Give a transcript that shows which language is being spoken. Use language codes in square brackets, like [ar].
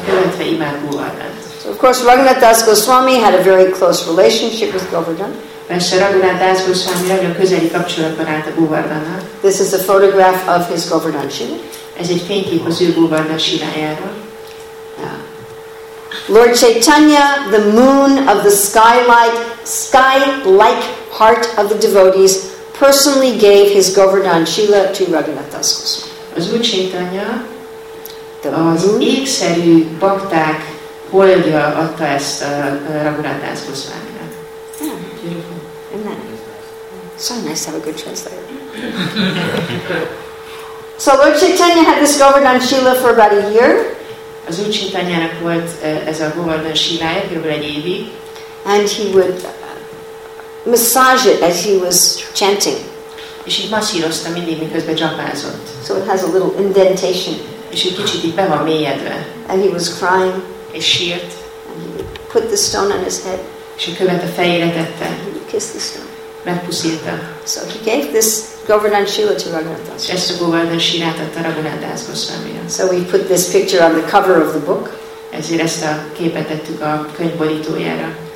[en] So of course Raghunath Das Goswami had a very close relationship with Govardhan. This is a photograph of his Govardhan Shila. [hu] Ez egy fénykép az ő Govardhan Shilájáról. [en] Lord Chaitanya, the moon of the sky-like heart of the devotees, personally gave his Govardhan Shila to Raghunath Das Goswami. [hu] Az Úr Chaitanya, az égszerű bakták holdja adta ezt Raghunath Das Goswami. [en] So nice to have a good translator. So Lord Chaitanya had this Govardhan Shila for about a year. [hu] Az Úr Chaitanyának volt ez a Govardhan Shilája, kb. Egy évig. [en] And he would massage it as he was chanting. [hu] És így masszírozta mindig, miközben japázott. [en] So it has a little indentation. [hu] És így kicsit így be van mélyedve. [en] And he was crying. [hu] És sírt. [en] And he would put the stone on his head. [hu] És a követ a fejére tette. [en] And he would kiss the stone. [hu] Megpuszítta. [en] So he gave this Govardhan Shila to Raghunath Das. [hu] Ezt a Govardhan Shilát adta Raghunath Das Goswami-nak. [en] So we put this picture on the cover of the book. [hu] Ezért ezt a képet tettük a könyv borítójára.